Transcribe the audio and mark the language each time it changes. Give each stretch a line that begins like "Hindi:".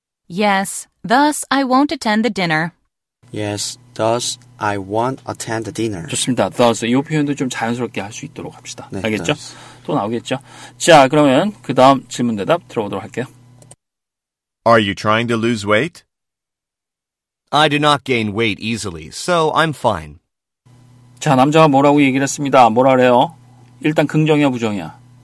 English: Yes, thus I won't attend the dinner. Yes, thus I won't attend the dinner.
Korean: 좋습니다. Thus 이 표현도 좀 자연스럽게 할 수 있도록 합시다. 네, 알겠죠? Thus. 또 나오겠죠? 자, 그러면 그 다음 질문 대답 들어보도록 할게요.
English: Are you trying to lose weight? I do not gain weight easily, so I'm fine.
Korean: 자, 남자가 뭐라고 얘기를 했습니다. 뭐라 그래요? 일단 긍정이야, 부정이야?